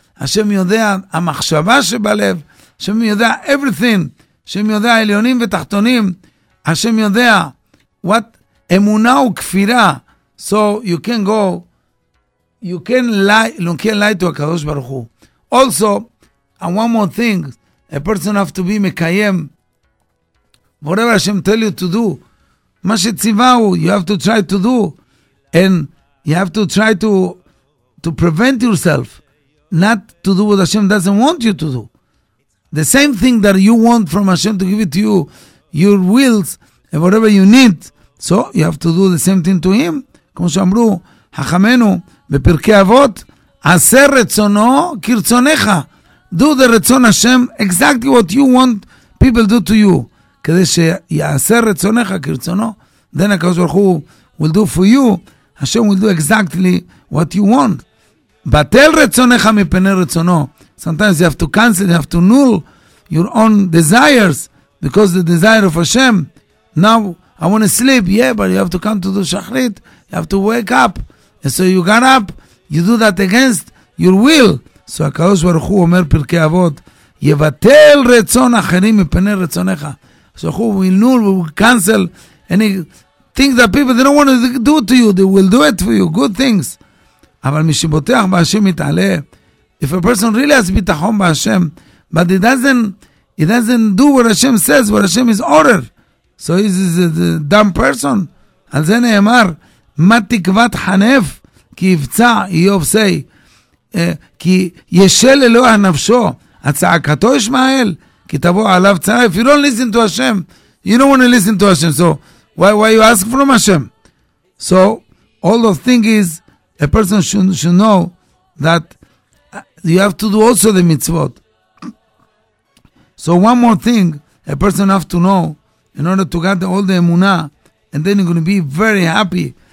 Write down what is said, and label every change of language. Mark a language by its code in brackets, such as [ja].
[he] Hashem yodea המחשבה שבלב. Hashem yodea [en] everything. [he] Hashem yodea עליונים ותחתונים. Hashem yodea what emuna וכפירה. [en] So you can go, you can lie, you can lie to HaKadosh Baruch Hu. Also, and one more thing, a person have to be mekayem. Whatever Hashem tell you to do, [he] מה שציווהו, [en] you have to try to do, and you have to try to prevent yourself not to do what Hashem doesn't want you to do. The same thing that you want from Hashem to give it to you, your wills, and whatever you need, so you have to do the same thing to Him. [he] כמו שאמרו, חכמנו, בפרקי אבות, עשה רצונו כרצונך. [en] Do the [he] רצון השם, [en] exactly what you want people do to you. [he] כדי שיעשה רצונך כרצונו, [en] then הקדוש ברוך הוא will do for you, השם will do exactly what you want. [he] בטל רצונך מפני רצונו. [en] Sometimes you have to cancel, you have to null your own desires, because the desire of Hashem, now I want to sleep, yeah, but you have to come to the שחרית, you have to wake up. And so you got up, you do that against your will. [he] So הקדוש ברוך הוא אומר פרקי אבות, יבטל רצון אחרים מפני רצונך. [en] So who will know, we will cancel any things that people, they don't want to do to you. They will do it for you. Good things. [he] אבל מי שבוטח בהשם יתעלה. [en] If a person really has [he] ביטחון בהשם, [en] but he doesn't do what Hashem says, what Hashem is order. So he's a dumb person. [he] על זה נאמר, מה תקוות חנף? כי יבצע, איוב סי. כי ישל אלוה הנפשו, הצעקתו ישמעאל. [en] If you don't listen to Hashem, you don't want to listen to Hashem. So why you ask from Hashem? So all the thing is, a person should know that you have to do also the mitzvot. So one more thing, a person have to know in order to get all the emunah, and then you're going to be very happy.